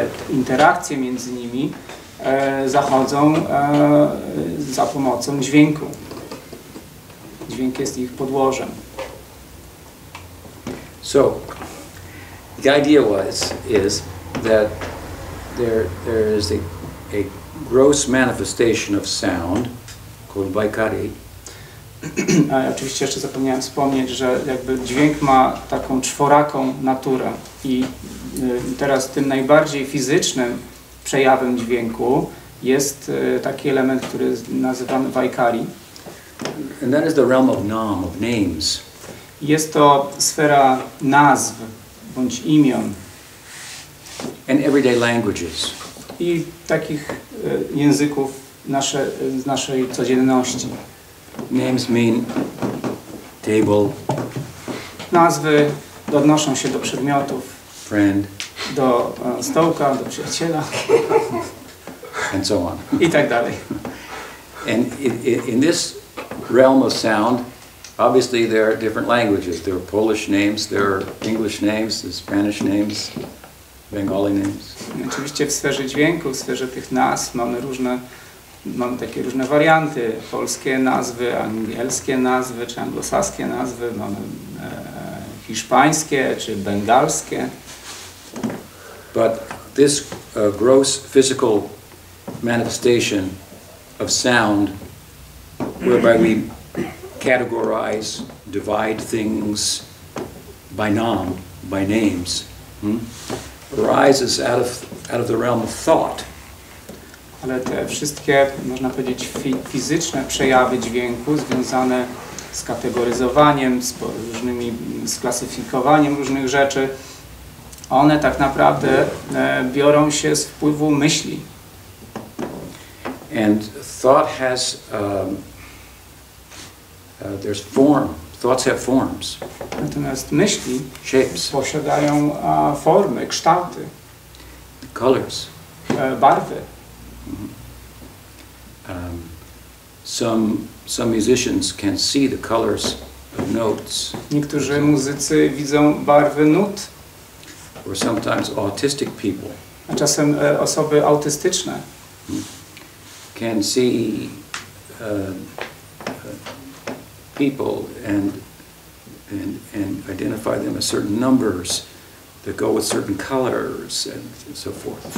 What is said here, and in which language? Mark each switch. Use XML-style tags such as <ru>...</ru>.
<pl>interakcje między nimi zachodzą za pomocą dźwięku. Dźwięk jest ich podłożem.</pl> <en>So, the idea was is that there is a gross manifestation of sound called vaikari.</en> <pl>Oczywiście jeszcze zapomniałem wspomnieć, że jakby dźwięk ma taką czworaką naturę i teraz tym najbardziej fizycznym przejawem dźwięku jest taki element, który nazywamy vaikari.</pl> <en>And that is the realm of nam, of names.</en> <pl>Jest to sfera nazw bądź imion.</pl> <en>And everyday languages.</en> <pl>I takich języków z naszej codzienności.</pl> <en>Names mean table.</en> <pl>Nazwy odnoszą się do przedmiotów.</pl> <en>Friend.</en> <pl>Do stołka, do przyjaciela.</pl> <en>And so on.</en> <pl>I tak dalej.</pl> <en>And in this realm of sound, obviously there are different languages. There are Polish names, there are English names, there are Spanish names, Bengali names.</en> <pl>Oczywiście w sferze dźwięku, w sferze tych nazw mamy różne, mamy takie różne warianty. Polskie nazwy, angielskie nazwy, czy anglosaskie nazwy, mamy hiszpańskie, czy bengalskie.</pl> <en>But this gross physical manifestation of sound, whereby we categorize, divide things by nam, by names, arises out of the realm of thought.</en> <pl>Ale te wszystkie, można powiedzieć, fizyczne przejawy dźwięku związane z kategoryzowaniem, z klasyfikowaniem różnych rzeczy, one tak naprawdę biorą się z wpływu myśli.</pl> <en>And thought has there's form. Thoughts have forms.</en> <pl>Natomiast myśli</pl> <en>shapes.</en> <pl>Posiadają formy, kształty.</pl> <en>Colors.</en> <pl>Barwy.</pl> <en>Some musicians can see the colors of notes.</en> <pl>Niektórzy muzycy widzą barwy nut.</pl> <en>Or sometimes autistic people.</en> <pl>A czasem osoby autystyczne.</pl> <en>Can see people and identify them as certain numbers that go with certain colors and so forth.</en>